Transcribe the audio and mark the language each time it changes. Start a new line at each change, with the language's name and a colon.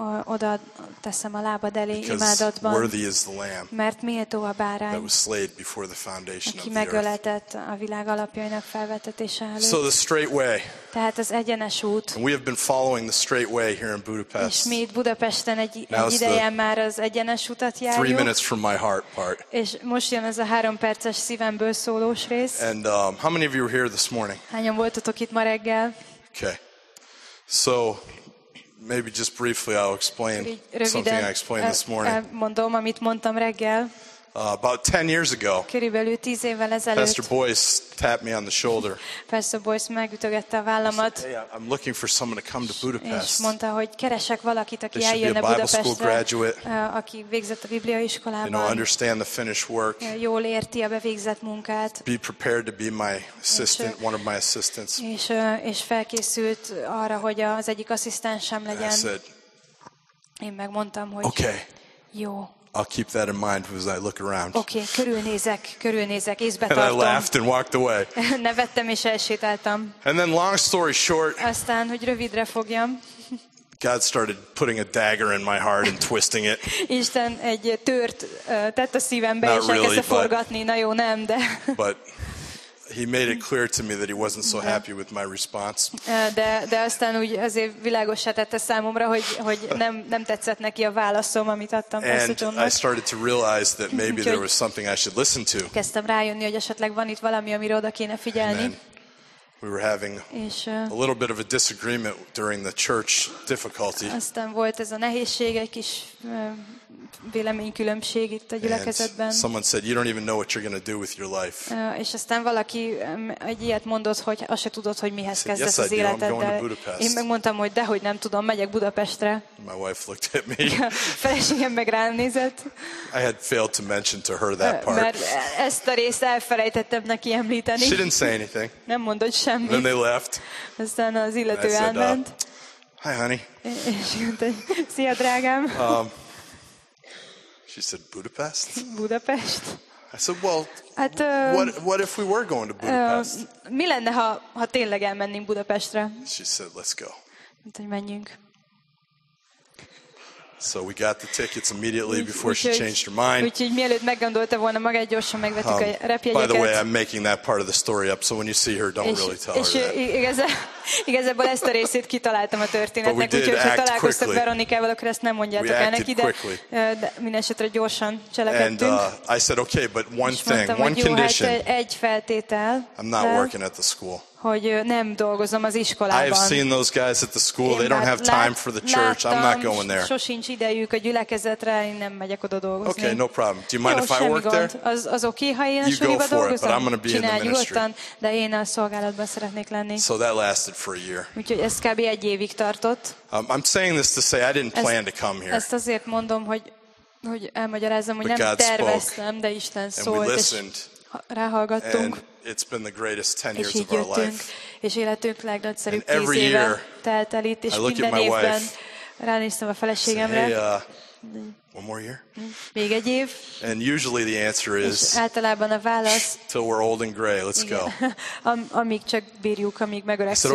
Hungarian: Oda teszem a lábad elé imádatban.
English: Because worthy is the lamb.
Hungarian: Mert méltó a bárány.
English: That was slain before the foundation of the earth.
Hungarian: Aki megöletett a világ alapjainak felvetetése előtt.
English: So the straight way.
Hungarian: Tehát az egyenes út.
English: And we have been following the straight way here in Budapest.
Hungarian: És mi itt Budapesten egy ideje már az egyenes utat járjuk.
English: 3 minutes from my heart part.
Hungarian: És most jön ez a 3 perces szívemből szólós rész.
English: And how many of you were here this morning?
Hungarian: Hányan voltatok itt ma reggel?
English: Okay. So, maybe just briefly I'll explain something I explained this morning.
Hungarian: Mondom, amit mondtam reggel.
English: About 10 years ago,
Hungarian: körülbelül 10 évvel ezelőtt,
English: Pastor Boyce tapped me on the shoulder.
Hungarian: Pastor Boyce megütögette a vállamat.
English: Hey, I'm looking for someone to come to Budapest.
Hungarian: És mondta, hogy keresek valakit, aki
English: this
Hungarian: eljönne
English: be a Bible school graduate,
Hungarian: aki végzett a bibliaiskolában.
English: You know, understand the finished work.
Hungarian: Jól érti a bevégzett munkát.
English: Be prepared to be my assistant, one of my assistants.
Hungarian: És felkészült arra, hogy az egyik asszisztensem legyen.
English: I said,
Hungarian: én megmondtam, hogy
English: okay.
Hungarian: Jó.
English: I'll keep that in mind as I look around.
Hungarian: Okay, körülnézek, észbe tartom.
English: And I laughed and walked away.
Hungarian: Nevettem és elsétáltam.
English: And then long story short,
Hungarian: aztán, hogy rövidre fogjam,
English: God started putting a dagger in my heart and twisting it.
Hungarian: Isten egy tört tett a szívembe, és elkezdte forgatni. Na jó, nem, de.
English: But he made it clear to me that he wasn't so happy with my response.
Hungarian: De aztán úgy azért világossá tette számomra, hogy nem tetszett neki a válaszom, amit adtam.
English: And I started to realize that maybe there was something I should listen to.
Hungarian: Kezdtem rájönni, hogy esetleg van itt valami, amire oda kéne figyelni.
English: We were having a little bit of a disagreement during the church difficulty.
Hungarian: Aztán volt ez a nehézség, egy kis véleménykülönbség itt a gyülekezetben.
English: And someone said, you don't even know what you're going to do with your life.
Hungarian: És aztán valaki egy ilyet mondott, hogy azt se tudod, hogy mihez kezdesz az életeddel. Én megmondtam, hogy dehogy nem tudom, megyek Budapestre.
English: My wife looked at me.
Hungarian: Feleségem meg rám nézett.
English: I had failed to mention to her that part.
Hungarian: Mert ezt a részt elfelejtettem neki említeni.
English: She didn't say anything.
Hungarian: Nem mondott semmit.
English: Then they left.
Hungarian: Aztán az illető elment.
English: Hi, honey.
Hungarian: És mondta, szia, drágám.
English: She said, Budapest?
Hungarian: Budapest.
English: I said, well, what if we were going to Budapest?
Hungarian: Mi lenne, ha tényleg elmennénk Budapestre?
English: She said, let's go.
Hungarian: Mondta, hogy menjünk.
English: So we got the tickets immediately before she changed her mind.
Hungarian: Úgyhogy mielőtt meggondolta volna maga, egy gyorsan megvettük a repjegyeket.
English: By the way, I'm making that part of the story up, so when you see her, don't really tell her that.
Hungarian: Igazából ezt a részét kitaláltam a történetnek, úgyhogy ha találkoztak Veronikával, akkor ezt nem mondjátok el neki, de mindesetre gyorsan cselekedtünk.
English: And I said, okay, but one thing, one condition.
Hungarian: Egy feltétel.
English: I'm not working at the school.
Hungarian: Hogy nem dolgozom az iskolában.
English: I have seen those guys at the school. They don't have time for the church. I'm not going there.
Hungarian: Sosincs idejük a gyülekezetre, én nem megyek oda dolgozni.
English: Okay, no problem. Do you mind if I work there?
Hungarian: Az oké, ha én a suliba dolgozom?
English: You go for it, but I'm going to be in the ministry.
Hungarian: De én a szolgálatban szeretnék lenni.
English: So that lasted for a year.
Hungarian: Úgyhogy ez kb. Egy évig tartott.
English: I'm saying this to say I didn't plan to come here.
Hungarian: Ezt azért mondom, hogy elmagyarázzam, hogy nem terveztem, de Isten szólt, és ráhallgattunk.
English: It's been the greatest 10 years of our life.
Hungarian: És életünk legnagyszerűbb 10 éve telt el itt, és minden évben ránéztem a feleségemre.
English: One more year?
Hungarian: Még egy év.
English: And usually the answer is,
Hungarian: általában a válasz,
English: till we're old and gray, let's go.
Hungarian: Amíg csak bírjuk, amíg megöregszünk.